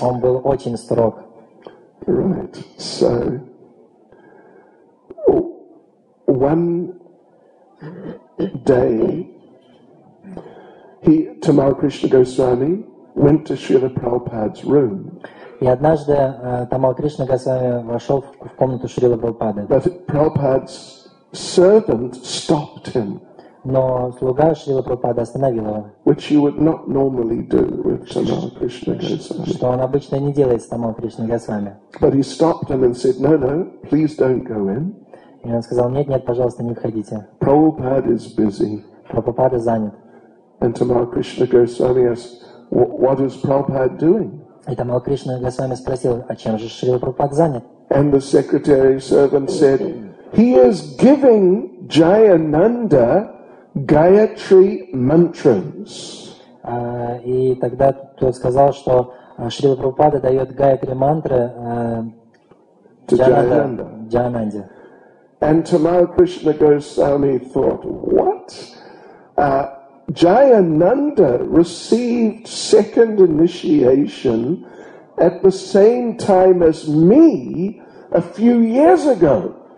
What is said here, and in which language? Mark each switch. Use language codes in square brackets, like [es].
[ru] Он был очень строг. [en] Right. So one day Tamal Krishna Goswami went to Srila Prabhupada's room. [ru] И однажды Тамал Кришна Госвами вошел в комнату Шрилы Прабхупады. [en] But Prabhupada's servant stopped him. [ru] Но слуга Шрилы Прабхупады остановил его. [en] Which you would not normally do with Tamal Krishna Goswami. [ru] Что он обычно не делает с Тамал Кришной Госвами. [en] But he stopped him and said, no, please don't go in. [ru] И он сказал, нет, пожалуйста, не входите. [en] Prabhupada is busy. [ru] Прабхупада занят. [en] And Tamal Krishna Goswami asked, what is Prabhupada doing? [ru] И Тамал Кришна Госвами спросил, а чем же Шрила Прабхупада занят? [en] And the secretary servant said, he is giving Jayananda Gayatri mantras. [ru] И тогда кто сказал, что Шрила Прабхупада дает Гаятри мантры Джайананде. [en] And Tamal Krishna Goswami thought, what? Jayananda received second initiation at the same time as me a few years ago.